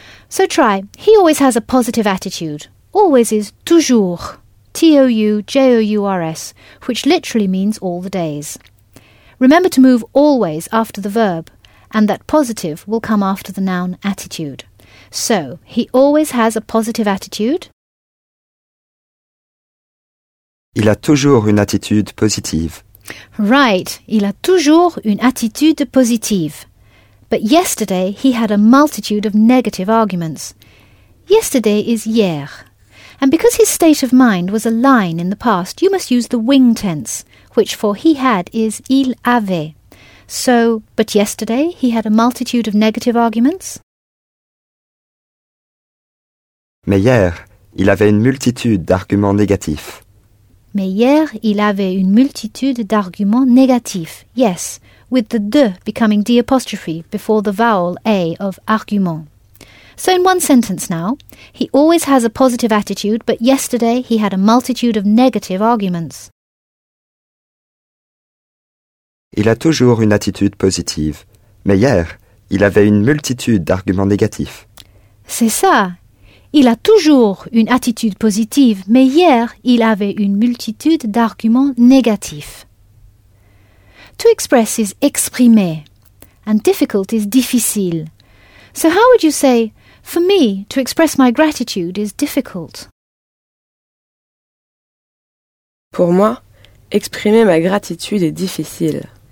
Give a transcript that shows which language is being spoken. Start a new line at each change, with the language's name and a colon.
English: So try, he always has a positive attitude. Always is toujours, T-O-U-J-O-U-R-S, which literally means all the days. Remember to move always after the verb, and that positive will come after the noun attitude. So, he always has a positive attitude.
French: Il a toujours une attitude positive. Right, il a toujours une attitude positive.
English: But yesterday he had a multitude of negative arguments. Yesterday is hier. And because his state of mind was a line in the past, you must use the wing tense, which for he had is il avait. So, but yesterday he had a multitude of negative arguments.
French: Mais hier, il avait une multitude d'arguments négatifs. Mais hier, il avait une multitude d'arguments négatifs.
English: Yes, with the de becoming d' apostrophe before the vowel a of argument. So in one sentence now, he always has a positive attitude, but yesterday he had a multitude of negative arguments.
French: Il a toujours une attitude positive, mais hier, il avait une multitude d'arguments négatifs. C'est ça. Il a toujours une attitude positive, mais hier, il avait une multitude d'arguments négatifs.
English: To express is exprimer, and difficult is difficile. So how would you say, for me, to express my gratitude is difficult?
French: Pour moi, exprimer ma gratitude est difficile.